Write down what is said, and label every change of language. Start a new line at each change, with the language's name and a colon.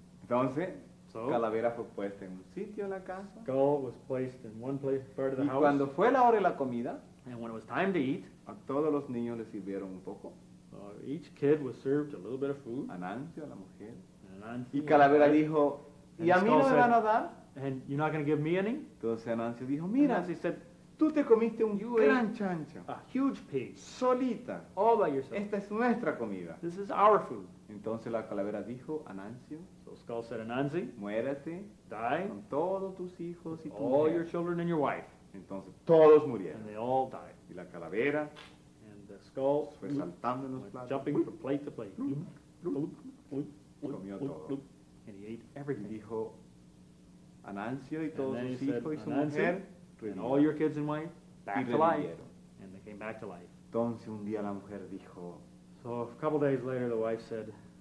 Spanish: Entonces, so, calavera fue puesta en un sitio en la casa.
English: Skull was placed in one place part of the
Spanish: y
English: house.
Spanish: Y cuando fue la hora de la comida,
English: and when it was time to eat,
Spanish: a todos los niños les sirvieron un poco.
English: Each kid was served a little bit of food.
Spanish: Anancio, la mujer. Anancio, y calavera dijo, ¿y a mí no me van a dar?
English: And you're not going to give me any?
Spanish: Entonces Anancio dijo, mira,
English: Anancio said,
Spanish: tú te comiste un gran chancho.
English: A huge pig.
Spanish: Solita.
English: All by yourself.
Spanish: Esta es nuestra comida.
English: This is our food.
Spanish: Entonces la calavera dijo, Anancio,
English: so Skull said, Anansi,
Spanish: muérete.
English: Die.
Spanish: Con todos tus hijos y tu
English: all
Spanish: mujer.
English: Your children and your wife.
Spanish: Entonces todos murieron.
English: And they all died.
Spanish: Y la calavera.
English: And the Skull.
Spanish: Fue saltando en los platos.
English: Jumping from plate to plate.
Spanish: Comió todo.
English: And he ate everything.
Spanish: Y dijo, Anancio y todos sus hijos y su mujer.
English: And all your kids and wife, back to life. And they came back to life.
Spanish: Entonces un día la mujer dijo.
English: So a couple days later the wife said,